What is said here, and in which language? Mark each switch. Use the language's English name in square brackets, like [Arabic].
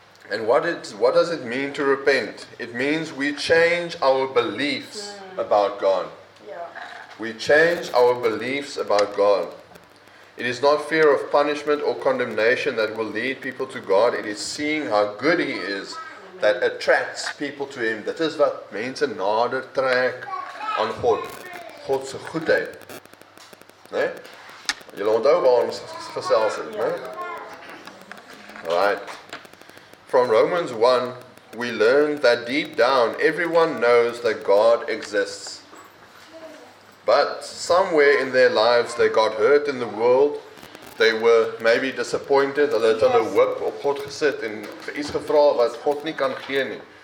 [English] And what does it mean to repent? It means we change our beliefs about God. Yeah. We change our beliefs about God. It is not fear of punishment or condemnation that will lead people to God. It is seeing how good He is that attracts people to Him. [Afrikaans] Dit is wat mense nader trek aan God. God se goedheid. Né? Nee? Julle onthou waar ons gesels het, né? [English] Right. From Romans 1, we learn that deep down, everyone knows that God exists. But somewhere in their lives, they got hurt in the world. They were maybe disappointed. [Afrikaans] Hulle het hulle hoop op God gesit en vir iets gevra wat God nie kan gee nie.